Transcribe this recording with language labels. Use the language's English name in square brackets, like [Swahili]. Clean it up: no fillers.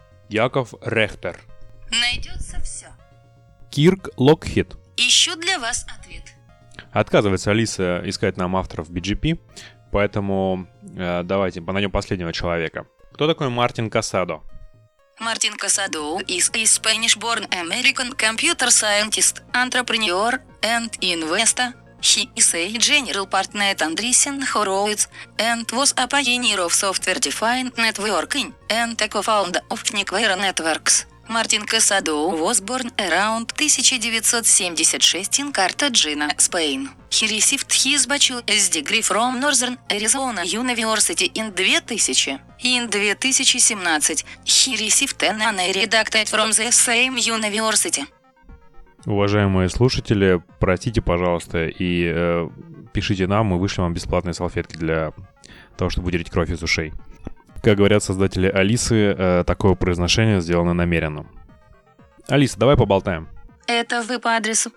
[Russian] Яков Рехтер. Найдется все. Кирк Локхит. Ищу для вас ответ. Отказывается Алиса искать нам авторов BGP, поэтому давайте найдем последнего человека. Кто такой Мартин Касадо? [English] Мартин Касадо is a Spanish-born American computer scientist, entrepreneur and investor. He is a general partner Andreessen Horowitz and was a pioneer of software-defined networking and a co-founder of Nicvera Networks. Мартин Касадо was born around 1976 in Cartagena, Spain. He received his bachelor's degree from Northern Arizona University in 2000. In 2017 he received an honorary doctorate from the same university. [Russian] Уважаемые слушатели, простите, пожалуйста, и пишите нам, мы вышлем вам бесплатные салфетки для того, чтобы вытереть кровь из ушей. Как говорят создатели Алисы, такое произношение сделано намеренно. Алиса, давай поболтаем. Это вы по адресу.